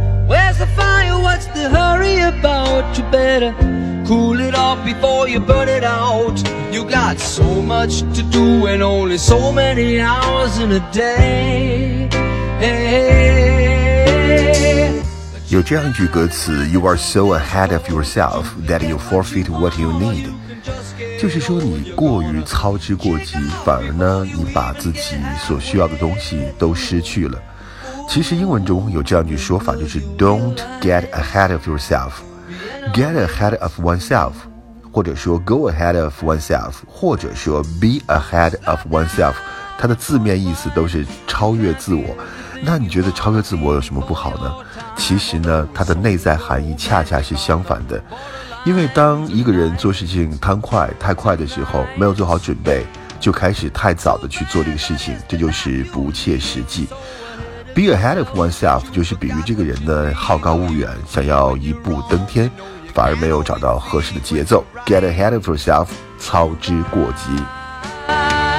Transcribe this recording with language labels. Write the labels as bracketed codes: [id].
[en] Where's the fire? What's the hurry about? You better cool it off before you burn it out. You got so much to do and only so many hours in a day. Hey. [zh] 有这样一句歌词， You are so ahead of yourself that you forfeit what you need，就是说你过于操之过急，反而呢你把自己所需要的东西都失去了。其实英文中有这样一句说法，就是 Don't get ahead of yourself， Get ahead of oneself，或者说 Go ahead of oneself，或者说 Be ahead of oneself，它的字面意思都是超越自我。那你觉得超越自我有什么不好呢？其实呢，它的内在含义恰恰是相反的。因为当一个人做事情贪快，太快的时候，没有做好准备，就开始太早的去做这个事情，这就是不切实际。 Be ahead of oneself 就是比喻这个人呢，好高骛远，想要一步登天，反而没有找到合适的节奏。 [en] Get ahead of yourself，操之过急。